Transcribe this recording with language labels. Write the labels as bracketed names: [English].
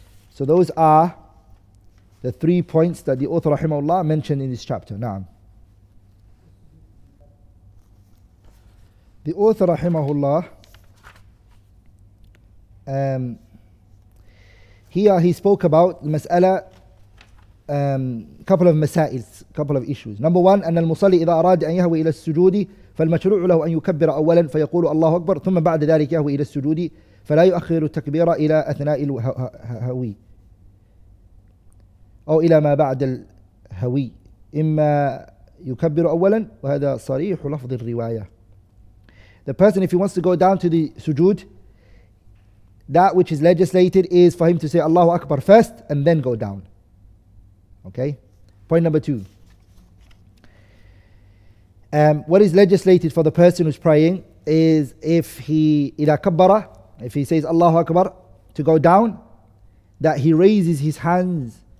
[English] So those are the 3 points that the author rahimahullah mentioned in this chapter. Na'am. The author rahimahullah, here he spoke about mas'ala, couple of masa'ils, couple of issues. [Arabic] Number one, أن المصلي إذا أراد أن يهوي إلى السجود فالمشروع له أن يكبر أولا فيقول الله أكبر ثم بعد ذلك يهوي إلى السجود فلا يؤخر التكبير إلى أثناء الهوي أو إلى ما بعد الهوي, إما يكبر أولا, وهذا صريح لفظ الرواية. [English] The person, if he wants to go down to the sujood, that which is legislated is for him to say Allahu Akbar first and then go down. Okay? Point number two. What is legislated for the person who's praying is if he [Arabic] إِلَى كَبَّرَ, [English] if he says Allahu Akbar, to go down, that he raises his hands.